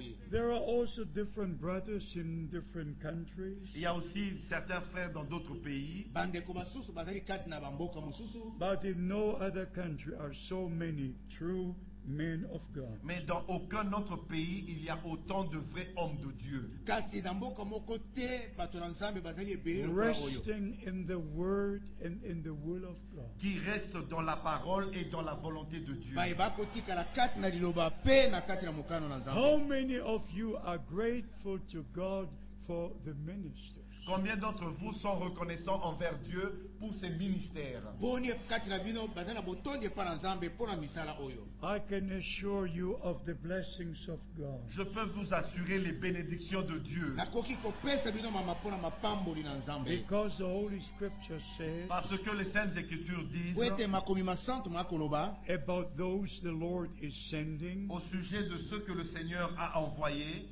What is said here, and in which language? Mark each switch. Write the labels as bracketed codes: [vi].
[en] There are also different brothers in different countries. [fr] Il y a aussi certains frères dans d'autres pays. [en] But in no other country are so many true men of God. [fr] Mais dans aucun autre pays il y a autant de vrais hommes de Dieu. [en] Resting in the word and in the will of God. [fr] Qui restent dans la parole et dans la volonté de Dieu. [en] How many of you are grateful to God for the ministry? [fr] Combien d'entre vous sont reconnaissants envers Dieu pour ses ministères? [en] I can assure you of the blessings of God. [fr] Je peux vous assurer les bénédictions de Dieu. [en] Because the Holy Scripture says, [fr] parce que les Saintes Écritures disent [en] about those the Lord is sending, [fr] au sujet de ceux que le Seigneur a envoyés,